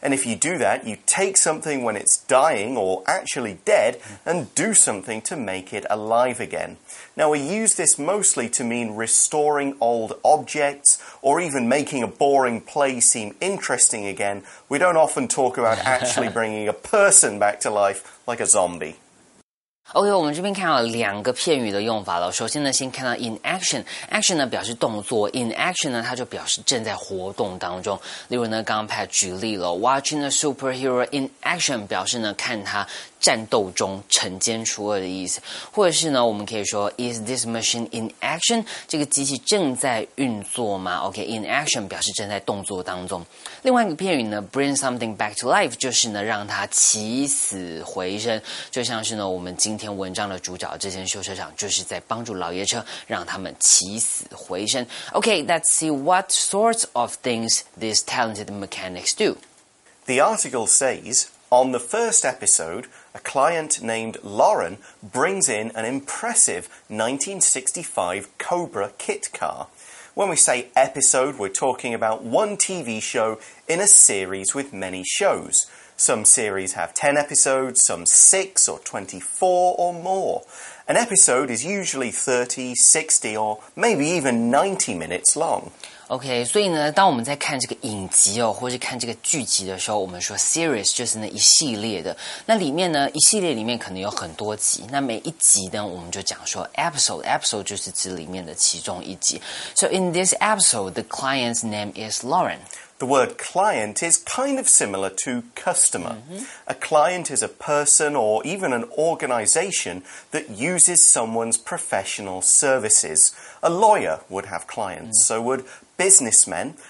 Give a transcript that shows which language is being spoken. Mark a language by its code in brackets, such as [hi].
[en] And if you do that, you take something when it's dying or actually dead and do something to make it alive again. Now, we use this mostly to mean restoring old objects or even making a boring play seem interesting again. We don't often talk about actually bringing a person back to life like a zombie. [zh] OK, 我们这边看到两个片语的用法了。首先呢，先看到 in action。action 呢表示动作。in action 呢它就表示正在活动当中。例如呢刚刚Pat举例了 , [en] watching a superhero in action [zh] 表示呢看他战斗中惩奸除恶的意思。或者是呢我们可以说 , [en] is this machine in action? [zh] 这个机器正在运作吗 ?OK, in action 表示正在动作当中。另外一个片语呢 , [en] bring something back to life, [zh] 就是呢让他起死回生。就像是呢我们今天文章的主角，这间修车厂就是在帮助老爷车，让他们起死回生。 [en] Okay, let's see what sorts of things these talented mechanics do. The article says, on the first episode, a client named Lauren brings in an impressive 1965 Cobra kit car. When we say episode, we're talking about one TV show in a series with many shows. Some series have 10 episodes, some 6 or 24 or more. An episode is usually 30, 60 or maybe even 90 minutes long. [zh] OK， 所以呢，当我们在看这个影集哦，或是看这个剧集的时候，我们说 series 就是那一系列的。那里面呢，一系列里面可能有很多集，那每一集呢，我们就讲说 episode 就是指里面的其中一集。 [en] So in this episode, the client's name is Lauren. The word client is kind of similar to customer. Mm-hmm. A client is a person or even an organization that uses someone's professional services. A lawyer would have clients, so would businessmen.